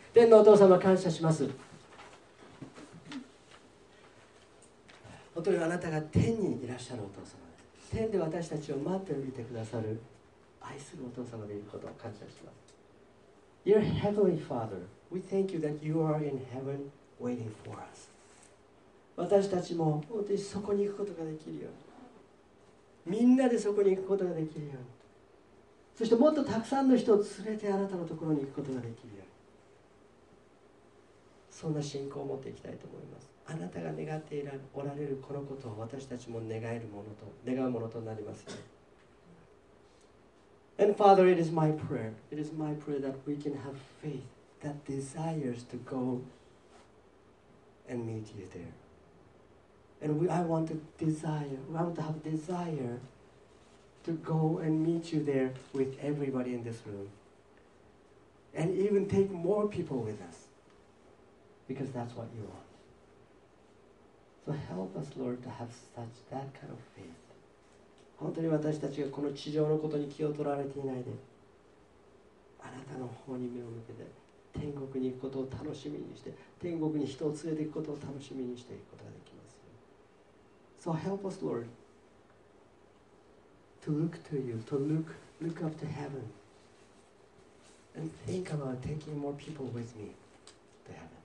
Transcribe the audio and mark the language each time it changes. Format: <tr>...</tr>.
<ja>天のお父様、感謝します。本当にあなたが天にいらっしゃるお父様です。天で私たちを待っていてくださる愛するお父様でいることを感謝します。</ja> <en>Dear Heavenly Father, we thank you that you are in heaven waiting for us.</en> <ja>私たちも本当にそこに行くことができるように。みんなでそこに行くことができるように。そしてもっとたくさんの人を連れてあなたのところに行くことができるように、そんな信仰を持っていきたいと思います。あなたが願っておられるこのことを私たちも願えるものと願うものとなりますよ。</ja> <en>And Father, it is my prayer. It is my prayer that we can have faith that desires to go and meet you there. And I want to have desire. To go and meet you there with everybody in this room. And even take more people with us. Because that's what you want. So help us, Lord, to have such that kind of faith.</en> <ja>本当に私たちがこの地上のことに気を取られていないで、あなたの方に目を向けて、天国に行くことを楽しみにして、天国に人を連れていくことを楽しみにしていくことができますよ。</ja> <en>So help us, Lord. To look to you, to look up to heaven, and think about taking more people with me to heaven.</en>